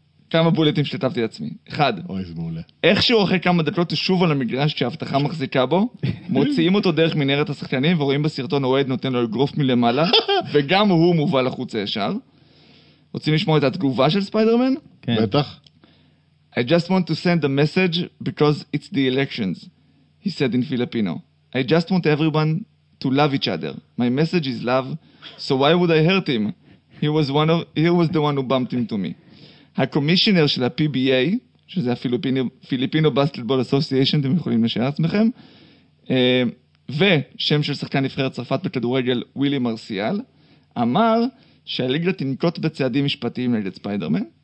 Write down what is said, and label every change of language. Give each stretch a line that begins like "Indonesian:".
Hebrew: כמה בולטים שכתבתי לעצמי? אחד. אוי, זה מעולה. איכשהו אחרי כמה דקות שוב על המגרש שההבטחה מחזיקה בו, מוציאים אותו דרך מנהרת השחקנים, ורואים בסרטון אוהד נותן לו אגרוף מלמעלה, וגם הוא מובל לחוצה ישר. רוצים לשמוע את התגובה של ספיידרמן? כן. בטח.
English: I just want to send a message because it's the elections, he said in Filipino. I just want everyone to love each other. My message is love, so why would I hurt him? He was the one who bumped him to me.
Hebrew: הקומישיונר של ה-PBA, שזה הפיליפינו בסקטבול אסוסיישן, אתם יכולים לשאול עצמכם, ושם של שחקן נבחרת צרפת בכדורגל, ווילי מרסיאל, אמר שהליגה תנקוט בצעדים משפטיים נגד ספיידרמן.